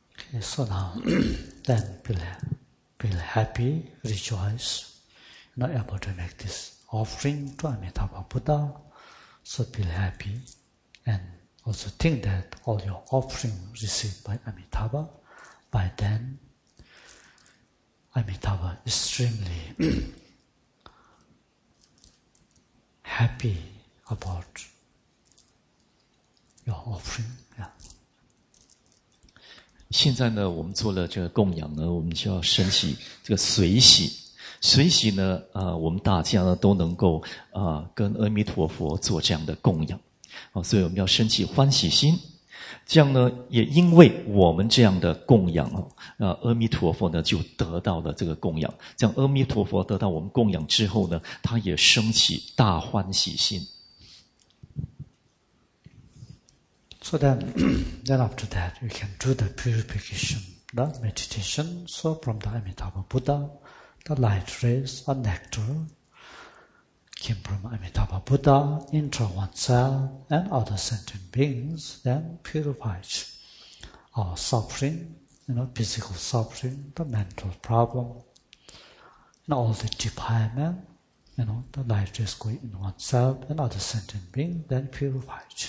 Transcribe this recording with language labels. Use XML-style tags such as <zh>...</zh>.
<en>Okay, so now, then be happy, rejoice, not able to make this offering to Amitabha Buddha, so be happy and also think that all your offering received by Amitabha, by then Amitabha is extremely happy about your offering. Yeah.</en> <zh>现在呢，我们做了这个供养呢，我们就要升起这个随喜。随喜呢，我们大家呢都能够跟阿弥陀佛做这样的供养。所以我们要升起欢喜心，这样呢，也因为我们这样的供养，阿弥陀佛呢就得到了这个供养，这样阿弥陀佛得到我们供养之后呢，他也升起大欢喜心。</zh> <en>So then after that you can do the purification, the meditation. So from the Amitabha Buddha, the light rays are nectar came from Amitabha Buddha, into oneself and other sentient beings, then purified our suffering, you know, physical suffering, the mental problem, and all the defilement, you know, the light is going in oneself and other sentient beings, then purified.</en>